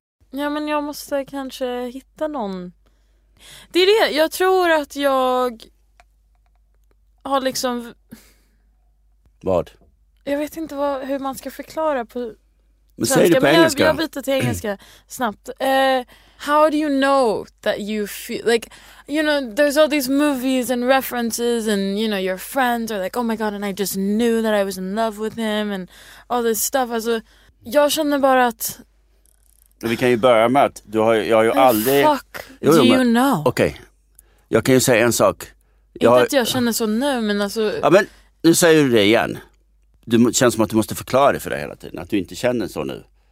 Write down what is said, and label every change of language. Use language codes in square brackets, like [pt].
[sv] Ja, men jag måste kanske hitta någon. Det är det. Jag tror att jag har liksom... Vad? Jag vet inte hur man ska förklara på svenska. Men säg det på engelska. Jag byter till engelska snabbt. [en] How do you know that you feel like, you know, there's all these movies and references and, you know, your friends are like, oh my god, and I just knew that I was in love with him and all this stuff. [sv] Alltså, jag känner bara att... Men vi kan ju börja med att jag har ju aldrig... [en] Fuck, jo, do you know? [sv] Okej, okay. Jag kan ju säga en sak. Att jag känner så nu, men alltså... Ja, men nu säger du det igen. Det känns som att du måste förklara det för dig hela tiden, att du inte känner så nu.